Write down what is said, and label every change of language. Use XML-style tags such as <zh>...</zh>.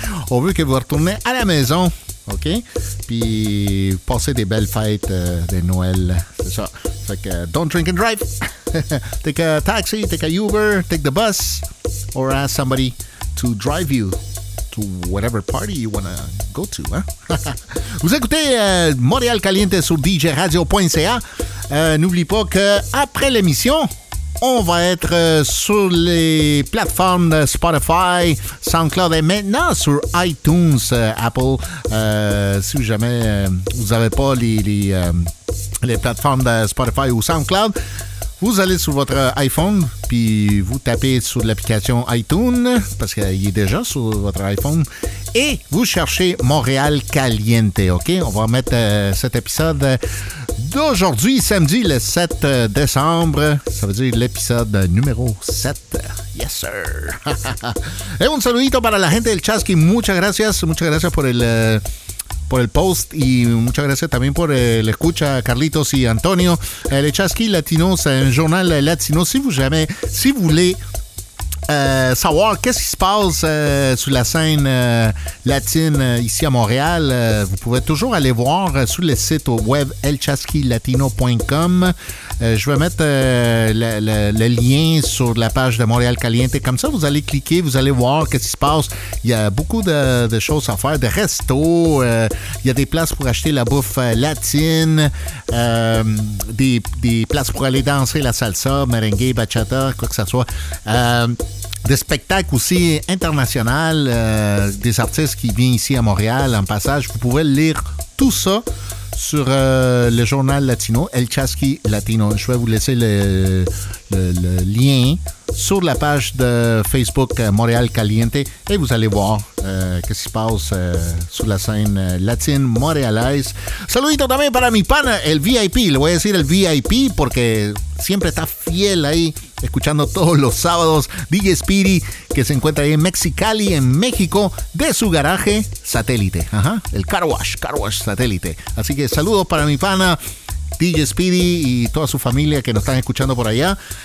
<fr>On veut que vous retourniez à la maison, ok? Puis passez des belles fêtes de Noël, c'est ça. Fait que</fr> <en>don't drink and drive. Take a taxi, take a Uber, take the bus. Or ask somebody to drive you to whatever party you want to go to.</en> <fr>Hein? Vous écoutez Montréal Caliente sur djradio.ca. N'oublie pas qu'après l'émission, On va être sur les plateformes de Spotify, SoundCloud et maintenant sur iTunes, Apple. Si jamais vous n'avez pas les plateformes de Spotify ou SoundCloud, vous allez sur votre iPhone, puis vous tapez sur l'application iTunes, parce qu'il est déjà sur votre iPhone, et vous cherchez Montréal Caliente, OK? On va mettre cet épisode d'aujourd'hui, samedi, le 7 décembre. Ça veut dire l'épisode numéro 7.</fr> <en>Yes, sir!</en> <es>Et un saludito para la gente del Chasqui. Muchas gracias por el post y muchas gracias también por el escucha Carlitos y Antonio.</es> <fr>Le Chasqui Latino, c'est un journal latino. Si vous jamais, si vous voulez savoir qu'est-ce qui se passe sur la scène latine ici à Montréal, vous pouvez toujours aller voir sur le site web elchasquilatino.com. Je vais mettre le lien sur la page de Montréal Caliente. Comme ça, vous allez cliquer, vous allez voir qu'est-ce qui se passe. Il y a beaucoup de choses à faire, de restos. Il y a des places pour acheter la bouffe latine, des places pour aller danser la salsa, merengue, bachata, quoi que ce soit. Des spectacles aussi internationaux, des artistes qui viennent ici à Montréal en passage. Vous pouvez lire tout ça sur le journal latino, El Chasqui Latino. Je vais vous laisser le lien sur la page de Facebook Montréal Caliente et vous allez voir ce qui se passe sur la scène latine montréalaise.</fr> <es>Saludito también para mi pana, el VIP. Le voy a decir el VIP porque siempre está fiel ahí, escuchando todos los sábados. DJ Speedy, que se encuentra ahí en Mexicali, en México, de su garaje satélite. Ajá, el Car Wash satélite. Así que saludos para mi pana DJ Speedy y toda su familia que nos están escuchando por allá.</es>